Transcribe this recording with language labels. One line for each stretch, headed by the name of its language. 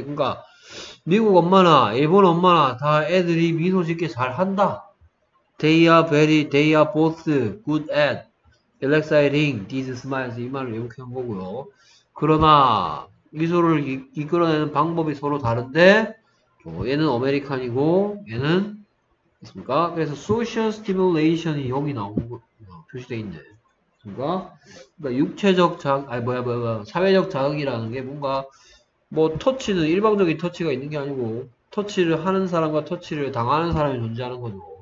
Korean: 그러니까 미국 엄마나 일본 엄마나 다 애들이 미소 짓게 잘한다.
English: They are both good at eliciting these smiles.
Korean: 이 말을 이렇게 한 거고요. 그러나 미소를 이끌어내는 방법이 서로 다른데. 얘는 아메리칸이고 얘는 있습니까? 그래서 소셜 스티뮬레이션이 여기 나오고 표시돼 있네. 그러니까 육체적 자극, 아니 뭐야 사회적 자극이라는 게 뭔가 뭐 터치는 일방적인 터치가 있는 게 아니고 터치를 하는 사람과 터치를 당하는 사람이 존재하는 거죠.